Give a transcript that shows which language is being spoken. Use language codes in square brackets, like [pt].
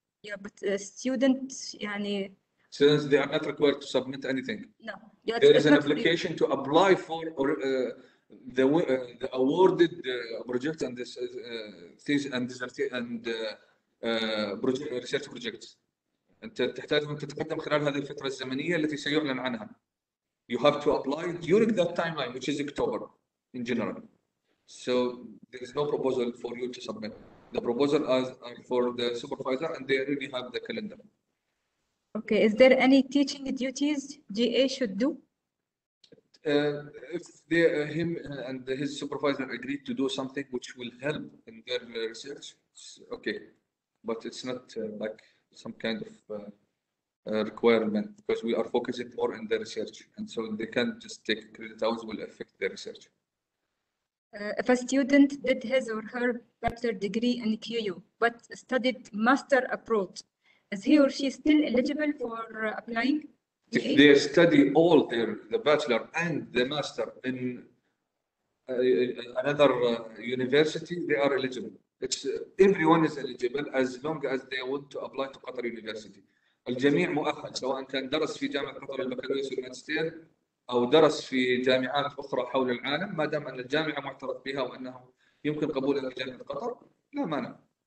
[en] Yeah, but student, yani... Students, they are not required to submit anything. No. Yeah, there is an application to apply for or the awarded project and this thesis and project research projects. [ar] أنت تحتاج أن تتقدم خلال هذه الفترة الزمنية التي سيعلن عنها. [en] You have to apply during that timeline, which is October in general. So there is no proposal for you to submit. The proposal is for the supervisor and they already have the calendar. Okay, is there any teaching duties GA should do? If they, him and his supervisor agreed to do something which will help in their research, it's okay. But it's not like some kind of requirement because we are focusing more on the research. And so they can't just take credit hours will affect their research. If a student did his or her bachelor degree in QU but studied master abroad, is he or she still eligible for applying? If they study all their the bachelor and the master in another university, they are eligible. It's everyone is eligible as long as they want to apply to Qatar University. [ar] الجميع مؤهل سواء كان درس في جامعة قطر البكالوريوس والماجستير أو درس في جامعات أخرى حول العالم، ما دام أن الجامعة معترف بها وأنه يمكن قبول إلى جامعة قطر لا مانع.